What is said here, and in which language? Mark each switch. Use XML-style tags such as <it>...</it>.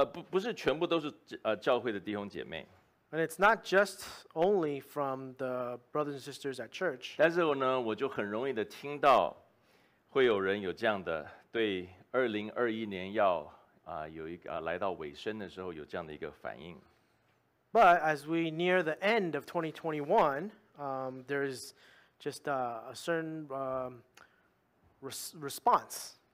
<zh>不是全部都是教会的弟兄姐妹。</zh> <en>And it's not just only from the brothers and sisters at church.</en> <zh>但是呢，我就很容易的听到会有人有这样的对2021年要 有一个来到尾声的时候有这样的一个反应。</zh> <en>But as we near the end of 2021, there is just a certain response.</en>